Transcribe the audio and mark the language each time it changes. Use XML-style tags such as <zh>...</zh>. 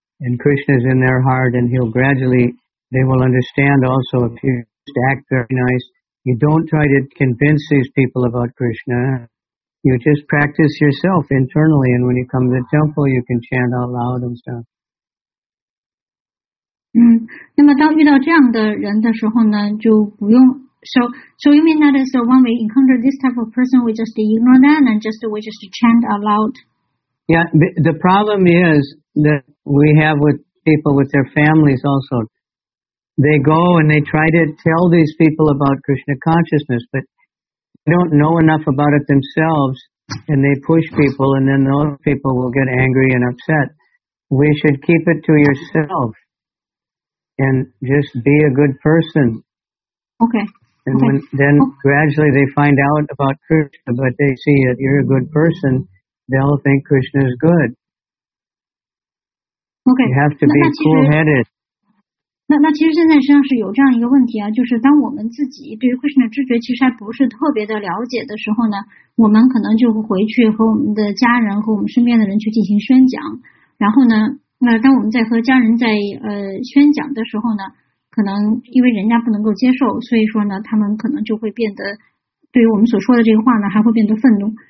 <en>And Krishna's in their heart, and he'll gradually, they will understand also if you just act very nice. You don't try to convince these people about Krishna. You just practice yourself internally, and when you come to the temple, you can chant out loud and stuff.</en> <zh>那么当遇到这样的人的时候呢，就不用。</zh> <en>So you mean that is the one we encounter this type of person, we just ignore them and we just chant out loud? Yeah, the problem is that we have with people with their families also. They go and they try to tell these people about Krishna consciousness, but they don't know enough about it themselves and they push people, and then those people will get angry and upset. We should keep it to yourself and just be a good person. Okay. And okay. Gradually they find out about Krishna, but they see that you're a good person, they'll think Krishna is good. Okay. You have to be cool-headed.</en> <zh>那其实现在实际上是有这样一个问题啊，就是当我们自己对于 Krishna 知觉其实还不是特别的了解的时候呢，我们可能就会回去和我们的家人和我们身边的人去进行宣讲，然后呢，那当我们在和家人在宣讲的时候呢，可能因为人家不能够接受，所以说呢，他们可能就会变得对于我们所说的这个话呢，还会变得愤怒。</zh>